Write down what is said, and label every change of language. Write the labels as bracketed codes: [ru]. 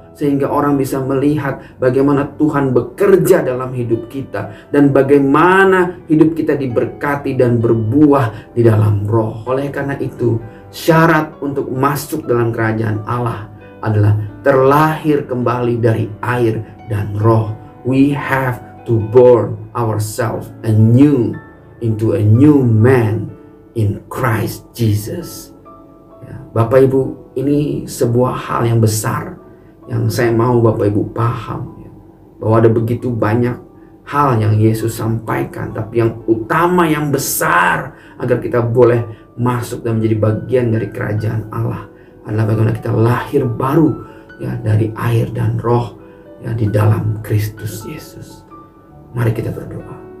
[id] Sehingga orang bisa melihat bagaimana Tuhan bekerja dalam hidup kita. Dan bagaimana hidup kita diberkati dan berbuah di dalam roh. Oleh karena itu, syarat untuk masuk dalam kerajaan Allah adalah terlahir kembali dari air dan roh. [en] We have to born ourselves anew into a new man in Christ Jesus. [id] Bapak Ibu, ini sebuah hal yang besar. Yang saya mau Bapak Ibu paham, ya. Bahwa ada begitu banyak hal yang Yesus sampaikan. Tapi yang utama, yang besar, agar kita boleh masuk dan menjadi bagian dari kerajaan Allah adalah bagaimana kita lahir baru, ya, dari air dan roh, ya, di dalam Kristus Yesus. Mari kita berdoa.